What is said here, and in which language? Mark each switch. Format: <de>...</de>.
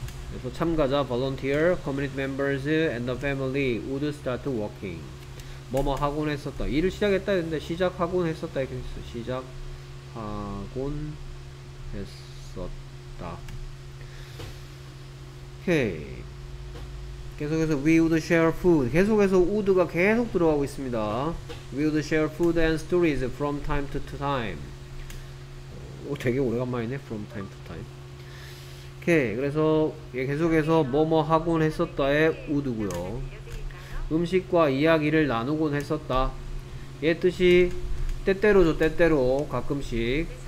<ko>그래서 참가자,</ko> <en>volunteer, community members and the family would start working.</en> <ko>뭐뭐 하곤 했었다, 일을 시작했다 했는데 시작하곤 했었다 이렇게 했어. 시작하곤 했었다. 오케이. 계속해서</ko> <en>we would share food,</en> <ko>계속해서 would가 계속 들어가고 있습니다.</ko> <en>we would share food and stories from time to time.</en> <ko>오, 되게 오래간만이네</ko> <en>from time to time.</en> <ko>오케이. 그래서 계속해서 뭐뭐 하곤 했었다에 우드고요. 음식과 이야기를 나누곤 했었다. 얘 뜻이 때때로죠. 때때로 가끔씩.</ko>